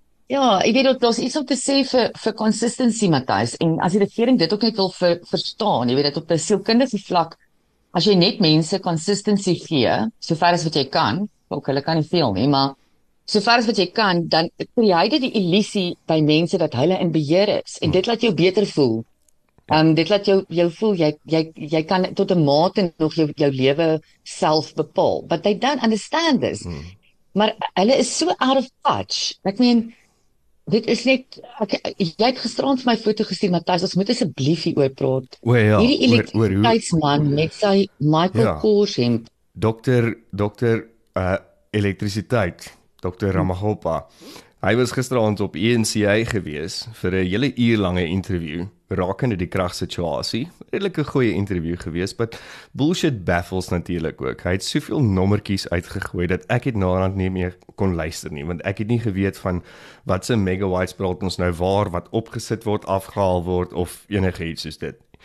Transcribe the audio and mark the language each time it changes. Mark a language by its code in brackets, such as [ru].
[af] Ja, ek weet dat daar iets om te sê vir consistency, Matthys, en as die regering dit ook net wil verstaan, jy weet dat op 'n sielkundige vlak, as jy net mense consistency gee, so ver as wat jy kan, ook hulle kan nie veel nie, maar so ver as wat jy kan, dan skei dit die illusie by mense dat hulle in beheer is en dit laat jou beter voel. Dit laat jou voel jy kan tot 'n mate nog jou lewe self bepaal. [en] But they don't understand this. [af] Maar hulle is so [en] out of touch. [af] Ek meen dit is net jy het gisteraand vir my foto gestuur, Matthys, ons moet asseblief hieroor praat. Hierdie elektrisiteitsman met sy Michael Kors hemp. Dokter elektrisiteit, Dr. Ramahopa. Hy was gisteraand op ENCA gewees vir 'n hele uur lange interview rakende die kragsituasie. Redelik 'n goeie interview gewees, [en] but bullshit baffles [af] natuurlik ook. Hy het soveel nommertjies uitgegooi dat ek het naderhand nie meer kon luister nie, want ek het nie geweet van wat se megawatts praat ons nou waar, wat opgesit word, afgehaal word of enige iets soos dit.